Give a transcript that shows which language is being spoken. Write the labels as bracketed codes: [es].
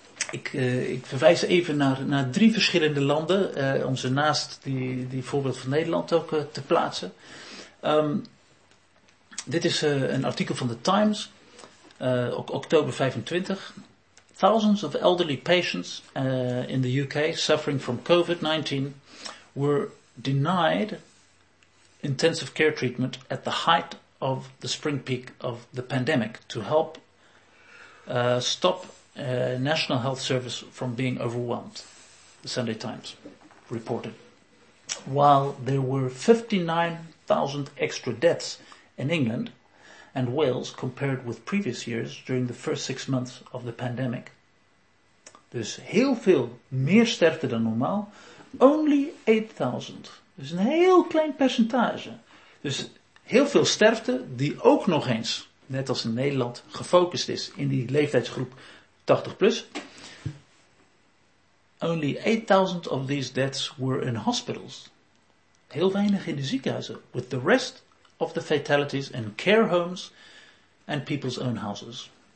[nl] Ik verwijs even naar drie verschillende landen. Om ze naast die voorbeeld van Nederland ook te plaatsen. Dit is een artikel van de Times. Ook oktober 25. [en] Thousands of elderly patients in the UK suffering from COVID-19 were denied intensive care treatment at the height of the spring peak of the pandemic to help stop National Health Service from being overwhelmed, the Sunday Times reported. While there were 59,000 extra deaths in England and Wales compared with previous years during the first 6 months of the pandemic, [nl] dus heel veel meer sterfte dan normaal, [en] only 8000. [nl] Dus een heel klein percentage. Dus heel veel sterfte die ook nog eens, net als in Nederland, gefocust is in die leeftijdsgroep 80 plus. [en] Only 8000 of these deaths were in hospitals. [nl] Heel weinig in de ziekenhuizen. [en] With the rest of the fatalities in care homes and people's own houses.